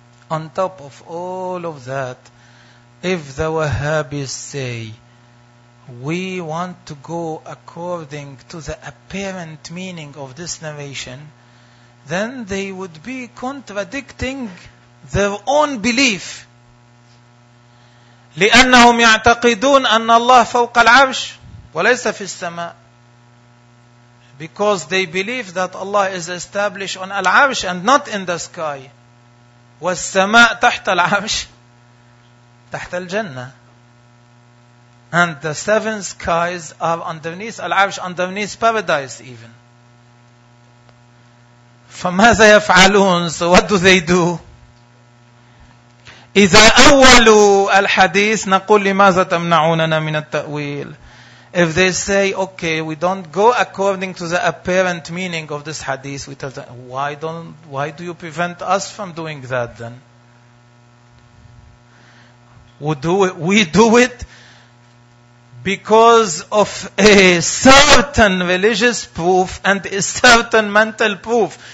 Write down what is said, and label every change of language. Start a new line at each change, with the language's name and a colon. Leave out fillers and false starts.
English: On top of all of that, if the Wahhabis say, we want to go according to the apparent meaning of this narration, then they would be contradicting their own belief.
Arabic: لأنهم يعتقدون أن الله فوق العرش وليس في السماء.
English: Because they believe that Allah is established on العرش and not in the sky.
Arabic: والسماء تحت العرش تحت الجنة.
English: And the seven skies are underneath العرش, underneath paradise even.
Arabic: فماذا يفعلون?
English: So what do they do?
Arabic: إذا أولوا الحديث نقول لماذا تمنعوننا من التأويل?
English: If they say, okay, we don't go according to the apparent meaning of this hadith, we tell them, why do you prevent us from doing that then? We do it because of a certain religious proof and a certain mental proof.